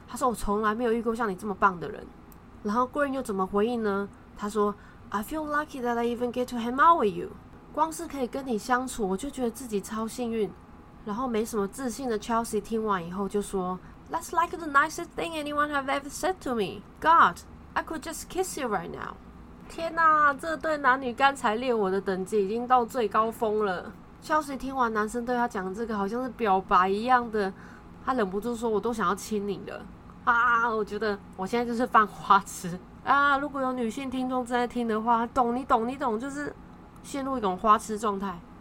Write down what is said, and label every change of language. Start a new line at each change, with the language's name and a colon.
Chinese: 他说我从来没有遇过像你这么棒的人。然后 Grant 又怎么回应呢？他说
English: I feel lucky that I even get to hang out with you.
Chinese: 光是可以跟你相处，我就觉得自己超幸运。然后没什么自信的 Chelsea 听完以后就说
English: That's like the nicest thing anyone have ever said to me. God, I could just kiss you right now.
Chinese: 天哪，这对男女干柴烈火的等级已经到最高峰了。 Chelsea 听完男生对他讲这个好像是表白一样的，他忍不住说我都想要亲你了。啊，我觉得我现在就是犯花痴。啊，如果有女性听众正在听的话，懂你懂你懂，就是陷入一种花痴状态。